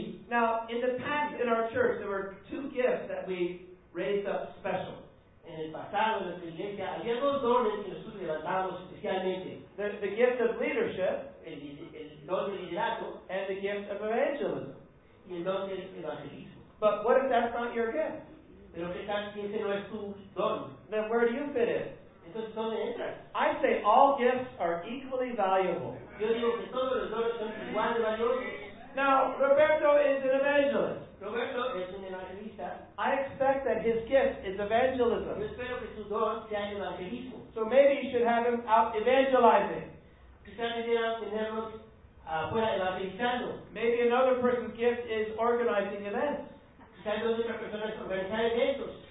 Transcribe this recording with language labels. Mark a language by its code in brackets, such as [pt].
[en] Now, in the past in our church, there were two gifts that we raised up special. [es] En el pasado en nuestra iglesia había dos dones que nosotros levantamos especialmente. [en] There's the gift of leadership. [es] El don de liderazgo. [en] And the gift of evangelism. [es] Y el don del evangelismo. [en] But what if that's not your gift? [es] Pero qué tal si ese no es tu don? [en] Then where do you fit in? [es] Entonces, ¿dónde entras? [en] I say all gifts are equally valuable. [es] Yo digo que todos los dones son igual de valiosos. [en] Now, Roberto is an evangelist. [es] Roberto es un evangelista. [en] I expect that his gift is evangelism. [es] Yo espero que su don sea el evangelismo. [en] So maybe you should have him out evangelizing. [es] Quizás deberíamos tenerlos fuera evangelizando. [en] Maybe another person's gift is organizing events. [es] Quizás otra persona es organizar eventos.